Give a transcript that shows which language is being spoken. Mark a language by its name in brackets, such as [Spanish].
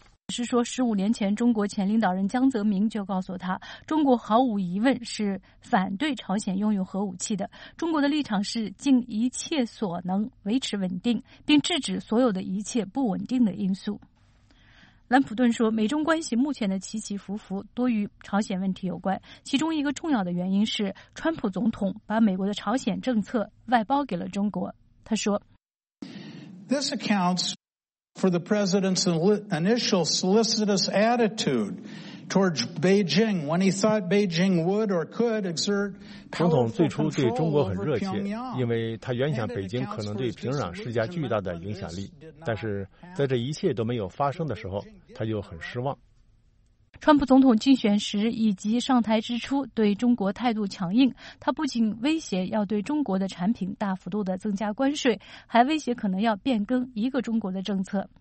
[Chinese] 是说15年前中国前领导人江泽民就告诉他，中国毫无疑问是反对朝鲜拥有核武器的，中国的立场是尽一切所能维持稳定，并制止所有的一切不稳定的因素。兰普顿说，美中关系目前的起起伏伏多与朝鲜问题有关，其中一个重要的原因是川普总统把美国的朝鲜政策外包给了中国。他说， [English] This accountsfor the president's initial solicitous attitude towards Beijing when he thought Beijing would or could exert powerful control. [Chinese] 总统最初对中国很热切，因为他原想北京可能对平壤施加巨大的影响力，但是在这一切都没有发生的时候，他就很失望。川普总统竞选时以及上台之初对中国态度强硬，他不仅威胁要对中国的产品大幅度的增加关税，还威胁可能要变更一个中国的政策。